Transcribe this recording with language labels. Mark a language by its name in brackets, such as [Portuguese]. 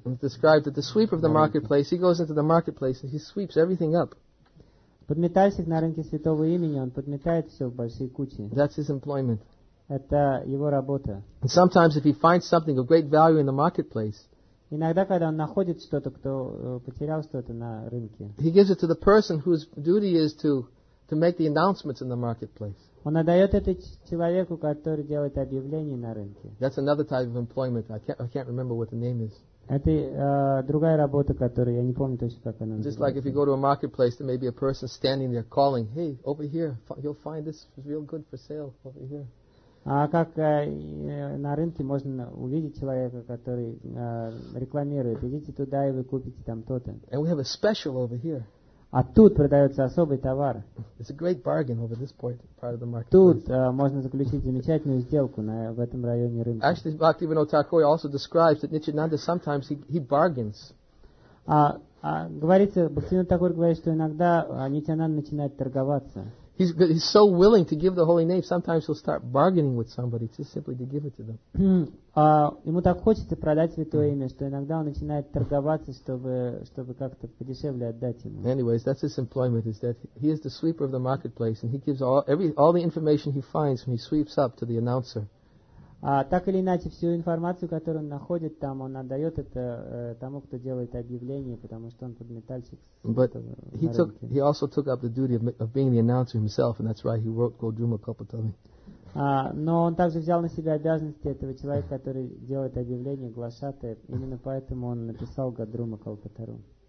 [English] It's described that the sweeper of the marketplace, he goes into the marketplace and he sweeps everything up. [Russian] Подметальщик на рынке святого имени, он подметает все в большие кучи. [English] That's his employment. [Russian] Это его работа. [English] And sometimes if he finds something of great value in the marketplace, [Russian] иногда, когда он находит что-то, кто потерял что-то на рынке, [English] he gives it to the person whose duty is to to make the announcements in the marketplace. [Russian] Он отдает это человеку, который делает объявления на рынке. [English] That's another type of employment. I can't remember what the name is. [Russian] Это другая работа, которую я не помню точно, как она называется. [English] Just like if you go to a marketplace, there may be a person standing there calling, "Hey, over here, you'll find this real good for sale over here." [Russian] А как на рынке можно увидеть человека, который рекламирует? Идите туда и вы купите там то-то. [English] And we have a special over here. [Russian] А тут продается особый товар. [English] It's a great bargain over this point, part of the market. [Russian] Тут можно заключить замечательную сделку в этом районе рынка. [English] Actually, Bhaktivinoda Thakur also describes that Nityananda sometimes he bargains. [Russian] Говорится, Бхактивинода Тхакур говорит, что иногда Нитянанда начинает торговаться. [English] He's so willing to give the holy name. Sometimes he'll start bargaining with somebody just simply to give it to them. [Russian] Ему так хочется продать святое имя, что иногда он начинает торговаться, чтобы как-то подешевле отдать ему. [English] Anyways, that's his employment. Is that he is the sweeper of the marketplace, and he gives all the information he finds, and he sweeps up to the announcer. [Russian] Так или иначе, всю информацию, которую он находит там, он отдает это тому, кто делает объявление, потому что он подметальщик. [English] He also took up the duty of being the announcer himself, and that's why he wrote Kodruma Kapotami. [Russian] Но он также взял на себя обязанности этого человека, который делает объявление, глашатая. Именно поэтому он написал Кодрума Калпатару.